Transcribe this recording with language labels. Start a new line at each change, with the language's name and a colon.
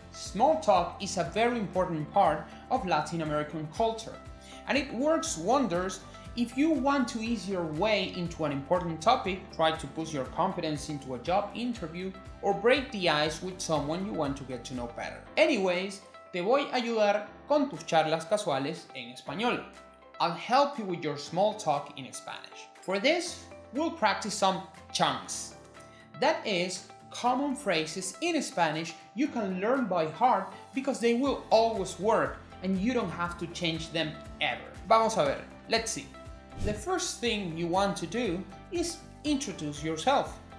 English: Small talk is a very important part of Latin American culture. And it works wonders if you want to ease your way into an important topic, try to push your confidence into a job interview, or break the ice with someone you want to get to know better. Anyways,
Spanish: te voy a ayudar con tus charlas casuales en español.
English: I'll help you with your small talk in Spanish. For this, we'll practice some chunks. That is, common phrases in Spanish you can learn by heart because they will always work and you don't have to change them ever.
Spanish: Vamos a ver,
English: let's see. The first thing you want to do is introduce yourself.